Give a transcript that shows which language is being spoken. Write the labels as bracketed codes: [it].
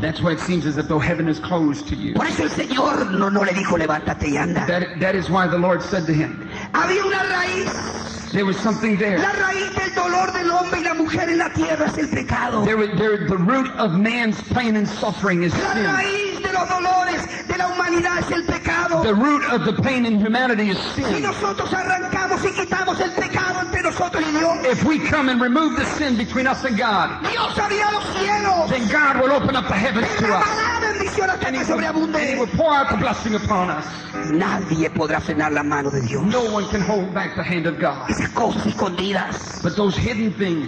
[en] That's why it seems as if though heaven is closed to you. [es] Por eso el Señor no le dijo, levántate y anda. [en] That is why the Lord said to him. [es] Había una raíz. [en] There was something there. [es] La raíz del dolor del hombre y la mujer en la tierra es el pecado. [en] There the root of man's pain and suffering is sin. [es] La raíz de los dolores de la humanidad es el pecado. [en] The root of the pain in humanity is sin. [es] Si nosotros arrancamos y quitamos el pecado entre nosotros y Dios. [en] If we come and remove the sin between us and God. [es] Dios abrirá los cielos. [en] Then God will open up the heavens to us. And he will pour out the blessing upon us. [es] Nadie podrá frenar la mano de Dios. [en] No one can hold back the hand of God. [es] Esas cosas escondidas. [en] But those hidden things